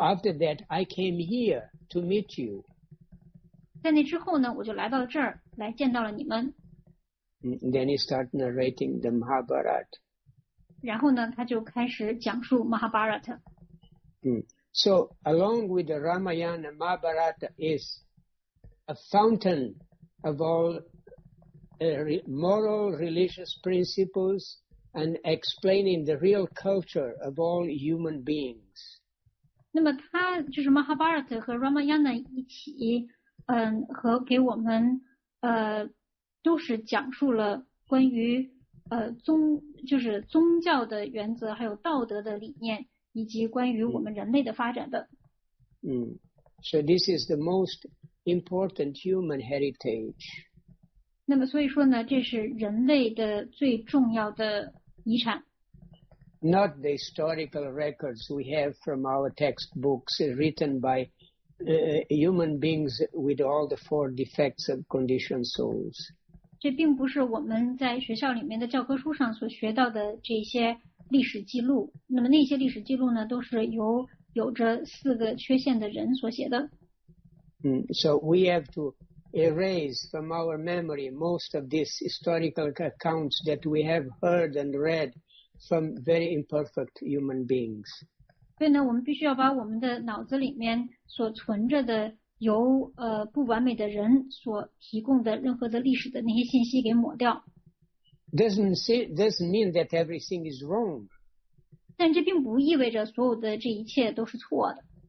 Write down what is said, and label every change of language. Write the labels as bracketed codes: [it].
[en] after that, I came here to meet you. [zh] 在那之后呢，我就来到这儿来见到了你们。Then [en] he started narrating the Mahabharata. [zh] 然后呢，他就开始讲述Mahabharata. [en] So along with the Ramayana, Mahabharata is a fountain of all moral, religious principles and explaining the real culture of all human beings. [zh] 那么他就是Mahabharata和Ramayana一起，和给我们都是讲述了关于。宗就是宗教的原则，还有道德的理念，以及关于我们人类的发展的。So [en] this is the most important human heritage. [zh] 那么所以说呢，这是人类的最重要的遗产。 [en] not the historical records we have from our textbooks written by human beings with all the four defects of conditioned souls. [zh] 这并不是我们在学校里面的教科书上所学到的这些历史记录。那么那些历史记录呢，都是由有着四个缺陷的人所写的。 [en] So we have to erase from our memory most of these historical accounts that we have heard and read from very imperfect human beings. [zh] 所以呢，我们必须要把我们的脑子里面所存着的由不完美的人所提供的任何的历史的那些信息给抹掉。 [en] Doesn't mean that everything is wrong. [zh] 但这并不意味着所有的这一切都是错的。